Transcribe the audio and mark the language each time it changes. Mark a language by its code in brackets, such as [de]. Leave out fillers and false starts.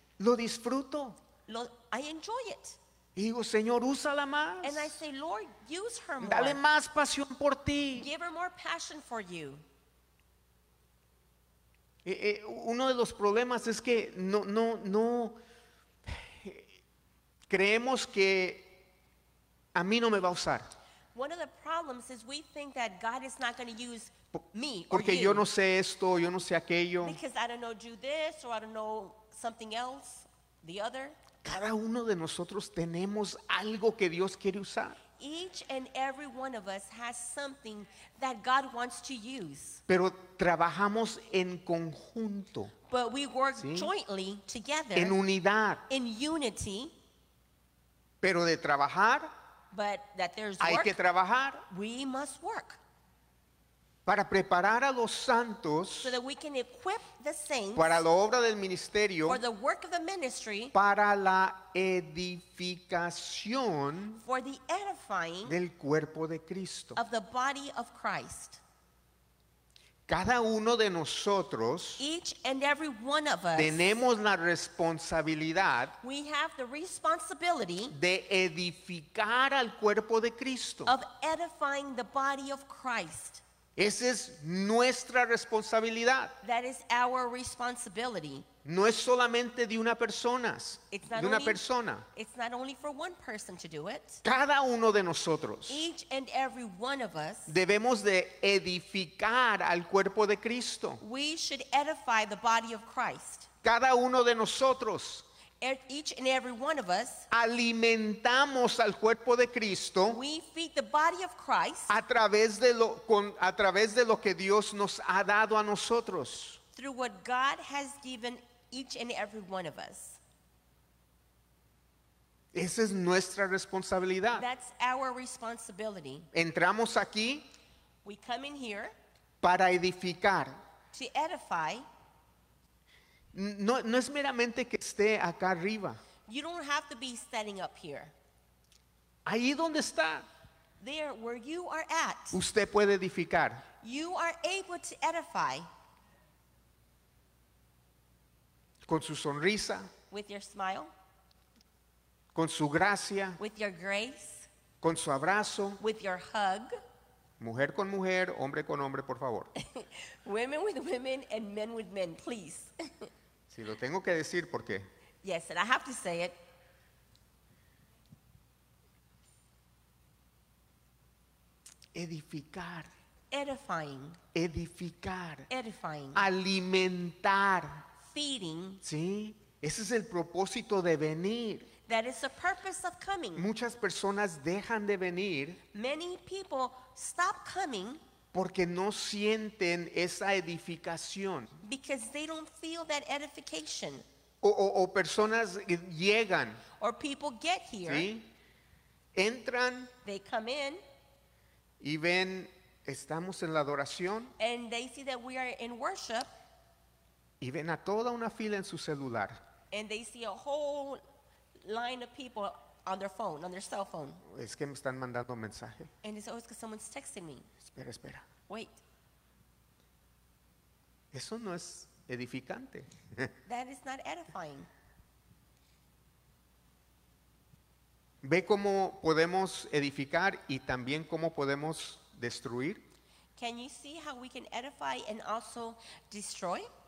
[es] Lo disfruto. [en] I enjoy it. [es] Y digo, Señor, úsala más. [en] And I say, Lord, use her more. [es] Dale más pasión por ti. [en] Give her more passion for you. [es] Uno de los problemas es que no creemos que a mí no me va a usar. [en] One of the problems is we think that God is not going to use me or [es] porque [en] you. [es] Yo no sé esto, yo no sé aquello. [en] Because I don't know do this or I don't know something else, the other. [es] Cada uno de nosotros tenemos algo que Dios quiere usar. [en] Each and every one of us has something that God wants to use. [es] Pero trabajamos en conjunto. [en] But we work, [es] ¿sí?, [en] jointly together. [es] En unidad. [en] In unity. [es] Pero de trabajar. [en] But that there's [es] hay [en] work. [es] Que trabajar. [en] We must work. [es] Para preparar a los santos. [en] So that we can equip the saints. [es] Para la obra del ministerio. [en] For the work of the ministry. [es] Para la edificación. [en] For the edifying. [es] Del cuerpo de Cristo. [en] Of the body of Christ. [es] Cada uno de nosotros. [en] Each and every one of us. [es] Tenemos la responsabilidad. [en] We have the responsibility. [es] De edificar al cuerpo de Cristo. [en] Of edifying the body of Christ. [es] Esa es nuestra responsabilidad. [en] That is our responsibility. [es] No es solamente de una persona. [en] It's not [es] de una [en] only, [es] persona. [en] It's not only for one person to do it. [es] Cada uno de nosotros. [en] Each and every one of us. [es] Debemos de edificar al cuerpo de Cristo. [en] We should edify the body of Christ. [es] Cada uno de nosotros. [en] each and every one of us, [es] alimentamos al cuerpo de Cristo, [en] we feed the body of Christ, [es] a través de lo que Dios nos ha dado a nosotros, [en] through what God has given each and every one of us. [es] Esa es nuestra responsabilidad. [en] That's our responsibility. [es] Entramos aquí, [en] we come in here, [es] para edificar, [en] to edify. [es] No, no es meramente que esté acá arriba. [en] You don't have to be standing up here. [es] Ahí donde está. [en] There where you are at. [es] Usted puede edificar. [en] You are able to edify. [es] Con su sonrisa. [en] With your smile. [es] Con su gracia. [en] With your grace. [es] Con su abrazo. [en] With your hug. [es] Mujer con mujer, hombre con hombre, por favor. [en] Women with women and men with men, please. [es] Si lo tengo que decir, ¿por qué? [en] Yes, and I have to say it. [es] Edificar. [en] Edifying. [es] Edificar. [en] Edifying. [es] Alimentar. [en] Feeding. [es] Sí, ese es el propósito de venir. [en] That is the purpose of coming. [es] Muchas personas dejan de venir. [en] Many people stop coming. [es] Porque no sienten esa edificación. [en] Because they don't feel that edification. [es] O personas llegan. [en] Or people get here. [es] ¿Sí? Entran. [en] They come in. [es] Y ven, estamos en la adoración. [en] And they see that we are in worship. [es] Y ven a toda una fila en su celular. [en] And they see a whole line of people on their phone, on their cell phone. [es] Es que me están mandando mensaje. [en] And it's always because someone's texting me. [es] Espera, espera. [en] Wait. [es] Eso no es edificante. [en] That is not edifying. [es] Ve cómo podemos edificar y también cómo podemos destruir. [en] Can you see how we can edify and also destroy?